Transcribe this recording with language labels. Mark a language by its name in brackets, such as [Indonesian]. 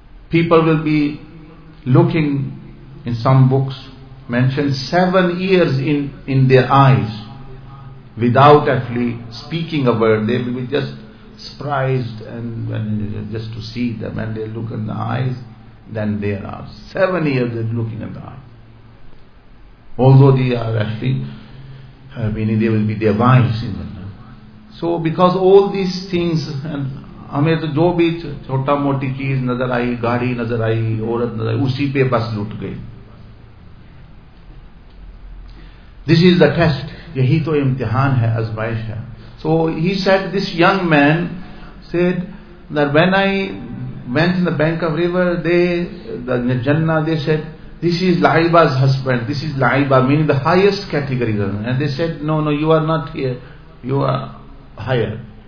[English] People will be looking, in some books mentioned, 7 years in their eyes without actually speaking a word. They will be just surprised, and when just to see them, and they look in the eyes, then there are 7 years they're looking in the eyes. Although they are actually, meaning they will be their wives in the night. So, because all these things, and [Hindi] हमें तो जो भी छोटा मोटी चीज नजर आई, गाड़ी नजर आई, औरत नजर आई, उसी पे बस लूट गई. [English] This is the test. [Hindi] यही तो इम्तिहान है, अजमाइश है. [English] So he said, this young man said that when I went in the bank of river, they, the Jannah, they said, this is Laiba's husband, this is Laiba, meaning the highest category. And they said, no, no, you are not here, you are higher.